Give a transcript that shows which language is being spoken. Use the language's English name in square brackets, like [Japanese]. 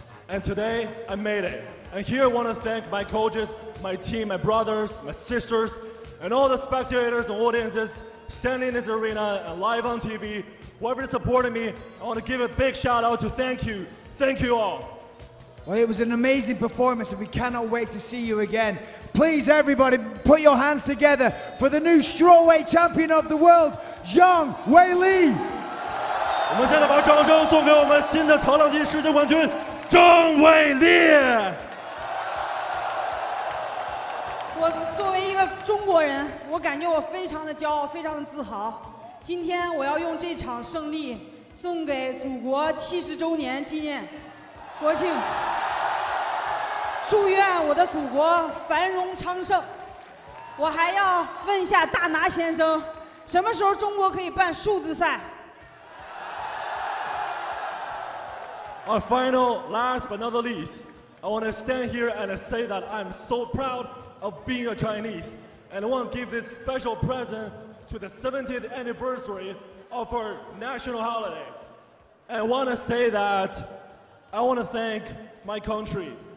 [English] And today, I made it. And here I want to thank my coaches, my team, my brothers, my sisters, and all the spectators and audiences standing in this arena and live on TV, whoever is supporting me, I want to give a big shout out to thank you. Thank you all. Well, it was an amazing performance and we cannot wait to see you again. Please, everybody, put your hands together for the new strawweight champion of the world, Zhang Weili. [Chinese] 我们现在把掌声送给我们新的重量级世界冠军张伟丽。我作为一个中国人，我感觉我非常的骄傲，非常的自豪。今天我要用这场胜利送给祖国70周年纪念国庆，祝愿我的祖国繁荣昌盛。我还要问一下大拿先生，什么时候中国可以办数字赛？ [English] Our final, last but not least, I want to stand here and say that I'm so proud of being a Chinese. And I want to give this special present to the 70th anniversary of our national holiday. And I want to say that I want to thank my country.